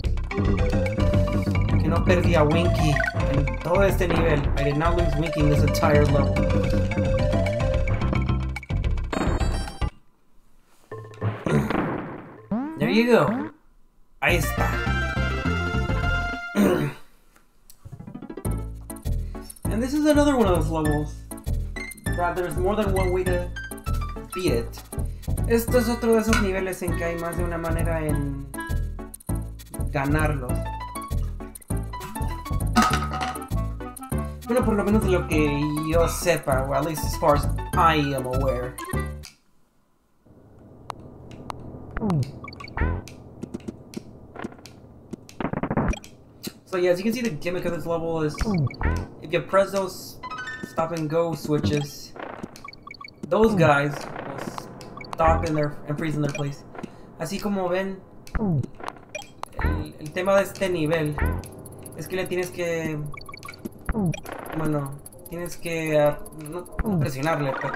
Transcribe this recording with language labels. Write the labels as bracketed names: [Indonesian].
[Spanish] Que no perdí a Winky en todo este nivel. [English] I did not lose Winky in this entire level. There you go. [Spanish] Ahí está. [English] And this is another one of those levels that there's more than one way to beat it. [Spanish] Esto es otro de esos niveles en que hay más de una manera en ganarlos. Bueno, por lo menos lo que yo sepa, [English] or at least as far as I am aware. So yeah, as you can see, the gimmick of this level is if you press those stop and go switches, those guys will stop in their and freeze in their place. [Spanish] Así como ven, el tema de este nivel es que le tienes que, bueno, tienes que presionarle,